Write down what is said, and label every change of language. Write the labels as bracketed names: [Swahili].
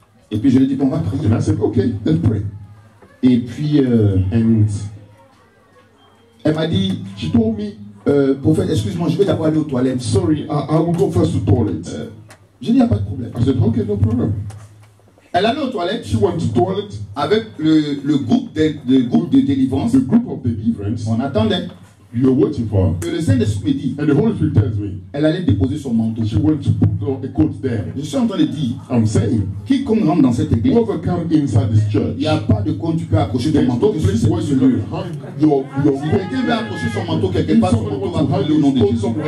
[French] Et puis je lui ai dit, on va prier. [English] And I said, okay, let's pray. [French] Et puis, elle m'a dit, [English] she told me, [French] prophète, excuse-moi, je vais d'abord aller aux toilettes. [English] Sorry, I will go first to the toilet. [French] Je n'ai pas de problème. [English] I said, okay, no problem. [French] Elle allait aux toilettes. [English] She went to the toilet. [French] Avec le groupe de groupe de délivrance. [English] The group of deliverance. [French] On attendait. [English] You are waiting for. [French] Que le Saint-Esprit me dit. [English] And the Holy Spirit tells me. [French] Elle allait déposer son manteau. [English] She went to put on a coat there. [French] Je suis en train de dire. [English] I'm saying. [French] Qui compte rentrer dans cette église? [English] Whoever comes inside this church. [French] Il n'y a pas de coin tu peux accrocher ton manteau. [English] Don't place where you live. Hang your [French] coat. Quelqu'un veut accrocher son manteau quelque part. Son manteau va brûler au nom de Jésus.